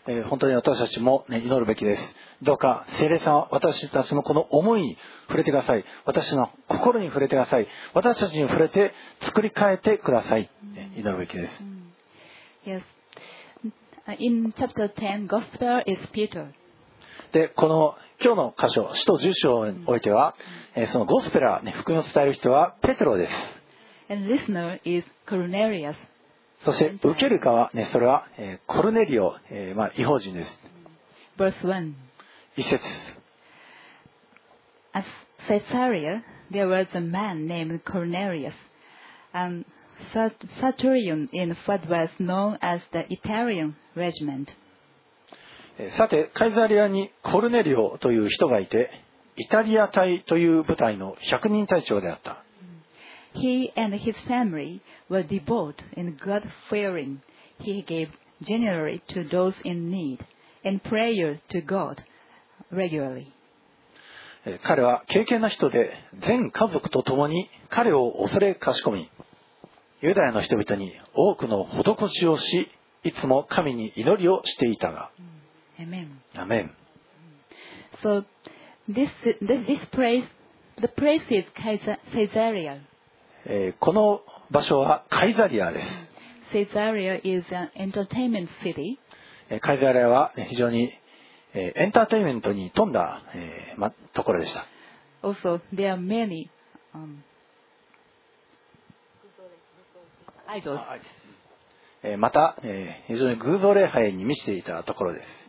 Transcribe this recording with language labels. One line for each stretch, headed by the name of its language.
Japanese: 本当に私たちも、ね、祈るべきです。どうか聖霊さんは私たちのこの思いに触れてください。私の心に触れてください。私たちに触れて作り変えてください。祈るべきです。
English: Yes. In chapter 10, gospel is Peter.
Japanese: で、この今日の箇所、使徒十章においては、そのゴスペラ、ね、福音を伝える人はペテロです。
English: And listener is Cornelius.
Japanese: そして受ける側、ね、それはコルネリオ、まあ、異邦人です。
English: Verse 1.
Japanese: 一節。
English: At Caesarea, there was a man named Cornelius, a centurion in what was known as the Italian regiment.
Japanese: さて、カイザリアにコルネリオという人がいて、イタリア隊という部隊の百人隊長であった。
English: He and his family were devout and God-fearing. He gave generally to those in need and prayed to God regularly.
Japanese: 彼は敬虔な人で全家族と共に彼を恐れかしこみ、ユダヤの人々に多くの施しをし、いつも神に祈りをしていたが。
English: Amen. Amen. So This place, the place is Caesarea.
Japanese: この場所はカイザリアです。
English: Caesarea is an entertainment city.
Japanese: カイザリアは非常にエンターテインメントに富んだところでした。
English: Also, there are many idols.
Japanese: また非常に偶像礼拝に満ちていたところです。